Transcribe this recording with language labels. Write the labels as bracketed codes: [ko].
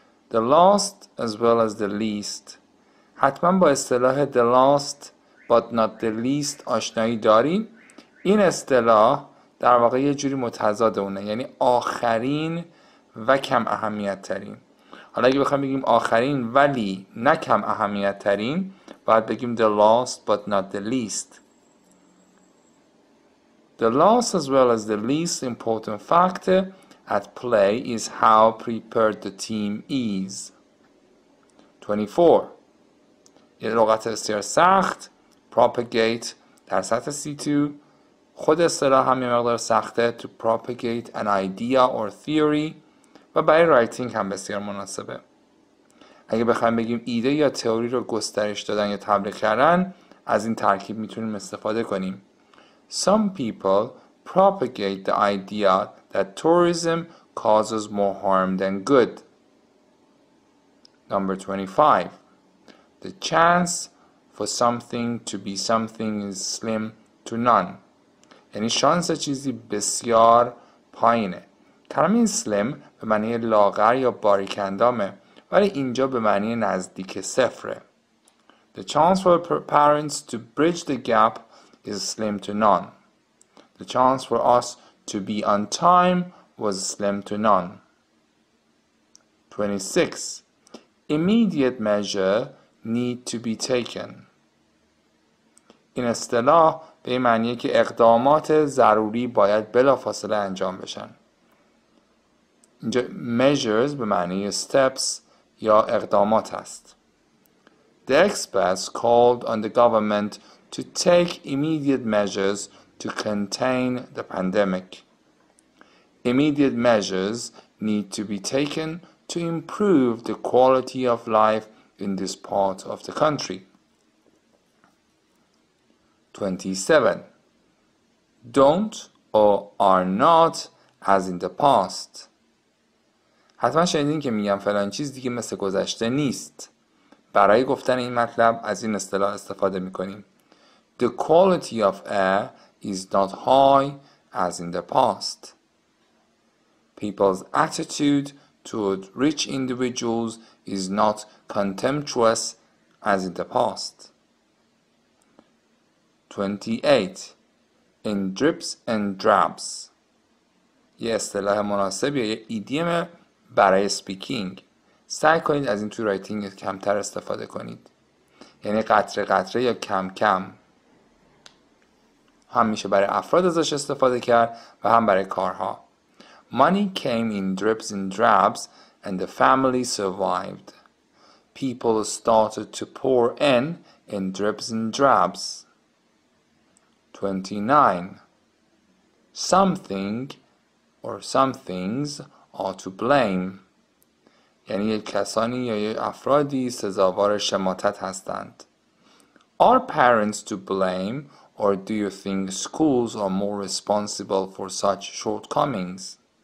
[en] The last as well as the least. [fa] حتما با اصطلاح [en] the last but not the least [fa] آشنایی داریم. این اصطلاح در واقع یه جوری متضاد اونه، یعنی آخرین و کم اهمیت ترین. حالا اگه بخوام بگیم آخرین ولی نه کم اهمیت ترین، باید بگیم [en] the last but not the least. The last as well as the least important fact at play is how prepared the team is. 24. [fa] یه لغت بسیار سخت، propagate در سطح C2. خود اصطلاح هم یه مقدار سخته، [en] to propagate an idea or theory، [fa] و برای رایتینگ هم بسیار مناسبه. اگه بخوایم بگیم ایده یا تئوری رو گسترش دادن یا تبلیغ کردن، از این ترکیب میتونیم استفاده کنیم. [en] Some people propagate the idea that tourism causes more harm than good. Number 25. The chance for something to be something is slim to none. [fa] یعنی شانس چیزی بسیار پایینه. کلمه slim به معنی لاغر یا باریک اندامه، ولی اینجا به معنی نزدیک صفره. [en] The chance for parents to bridge the gap is slim to none. The chance for us to be on time was slim to none. 26. Immediate measure need to be taken. [fa] این اصطلاح به این معنیه که اقدامات ضروری باید بلافاصله انجام بشن. اینجا measures به معنی steps یا اقدامات است. [en] The experts called on the government to take immediate measures to contain the pandemic. Immediate measures need to be taken to improve the quality of life in this part of the country. 27. Don't or are not as in the past. [fa] حتما شنیدین که میگم فلان چیز دیگه مثل گذشته نیست. برای گفتن این مطلب از این اصطلاح استفاده میکنیم. [en] The quality of air is not high as in the past. People's attitude toward rich individuals is not contemptuous as in the past. 28. In drips and drabs. [fa] یه اصطلاح مناسبیه، یه ایدیم برای سپیکینگ. سعی کنید از این توی رایتینگ کمتر استفاده کنید، یعنی قطره قطره یا کم کم. هم میشه برای افراد ازش استفاده کرد و هم برای کارها. [en] Money came in drips and drabs and the family survived. People started to pour in drips and drabs. 29. Something or some things are to blame. [fa] یعنی یک کسانی یا یک افرادی سزاوار شماتت هستند. [en] Are parents to blame or do you think schools are more responsible for such shortcomings?